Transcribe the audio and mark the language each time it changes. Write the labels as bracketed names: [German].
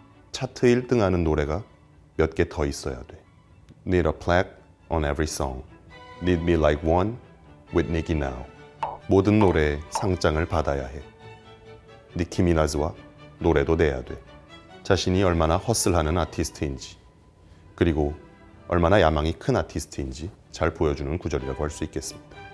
[Korean] 차트 1등 하는 노래가 몇 개 더 있어야 돼. [English] Need a plaque on every song. Need me like one with Nicki now. [Korean] 모든 노래에 상장을 받아야 해. 니키 미나즈와 노래도 내야 돼. 자신이 얼마나 허슬하는 아티스트인지, 그리고 얼마나 야망이 큰 아티스트인지 잘 보여주는 구절이라고 할 수 있겠습니다.